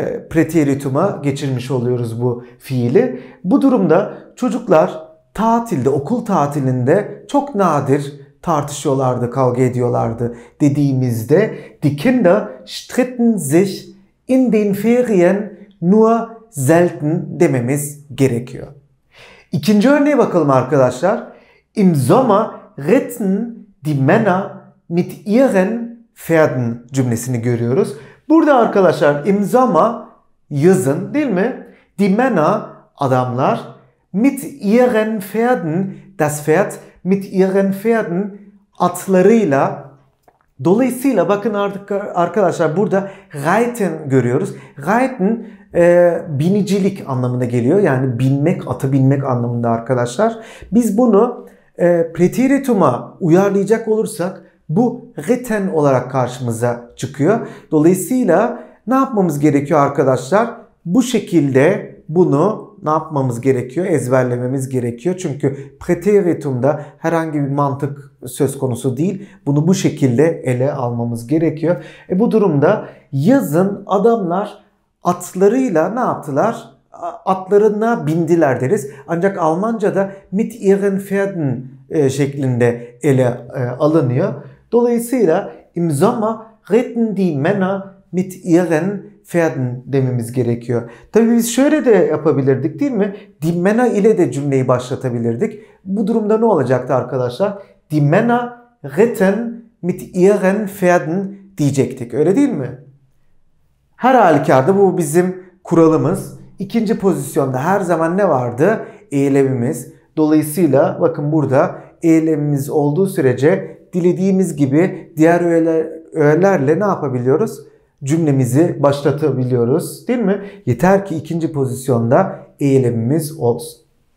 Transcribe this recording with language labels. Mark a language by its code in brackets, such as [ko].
[tr] Preteritum'a geçirmiş oluyoruz bu fiili. Bu durumda çocuklar tatilde, okul tatilinde çok nadir tartışıyorlardı, kavga ediyorlardı dediğimizde [de] die Kinder streiten sich in den Ferien nur selten [tr] dememiz gerekiyor. İkinci örneğe bakalım arkadaşlar. [de] Im Sommer ritten die Männer mit ihren Pferden [tr] cümlesini görüyoruz. Burada arkadaşlar [de] im Sommer [tr] yazın değil mi? [de] Die Männer [tr] adamlar [de] mit ihren Pferden das Pferd mit ihren Pferden [tr] atlarıyla. Dolayısıyla bakın artık arkadaşlar burada reiten görüyoruz. Reiten binicilik anlamına geliyor. Yani binmek, ata binmek anlamında arkadaşlar. Biz bunu preteritum'a uyarlayacak olursak bu reiten olarak karşımıza çıkıyor. Dolayısıyla ne yapmamız gerekiyor arkadaşlar? Bu şekilde bunu ne yapmamız gerekiyor? Ezberlememiz gerekiyor. Çünkü preteritumda herhangi bir mantık söz konusu değil. Bunu bu şekilde ele almamız gerekiyor. Bu durumda yazın adamlar atlarıyla ne yaptılar? Atlarına bindiler deriz. Ancak Almanca'da [de] mit ihren Pferden [tr] şeklinde ele alınıyor. Dolayısıyla [de] im Sommer ritten die Männer mit ihren Pferden [tr] dememiz gerekiyor. Tabii biz şöyle de yapabilirdik değil mi? [de] Die Männer [tr] ile de cümleyi başlatabilirdik. Bu durumda ne olacaktı arkadaşlar? [de] Die Männer ritten mit ihren Pferden [tr] diyecektik. Öyle değil mi? Her halükarda bu bizim kuralımız. İkinci pozisyonda her zaman ne vardı? Eylemimiz. Dolayısıyla bakın burada eylemimiz olduğu sürece dilediğimiz gibi diğer öğelerle ne yapabiliyoruz? Cümlemizi başlatabiliyoruz değil mi? Yeter ki ikinci pozisyonda eylemimiz olsun.